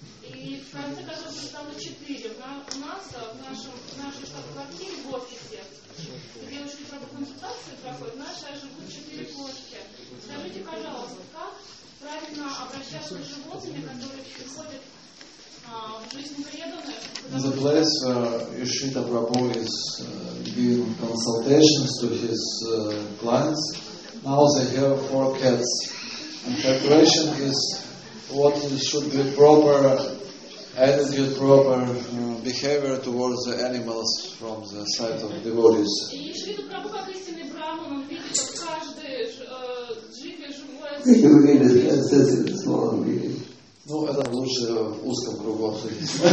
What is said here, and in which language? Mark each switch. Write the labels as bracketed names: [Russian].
[Russian] И в конце концов уже стало четыре. У нас, в нашей штаб-квартире в офисе, где очень много консультаций проходит, наши живут четыре кошки. Скажите, пожалуйста, как правильно обращаться с животными, которые приходят [English] In the place where Yashita Prabhu is giving consultations to his clients, now they have four cats. And the question is what should be proper attitude, proper behavior towards the animals from the side of devotees. [Russian] Ну, это лучше в узком кругу обсудить.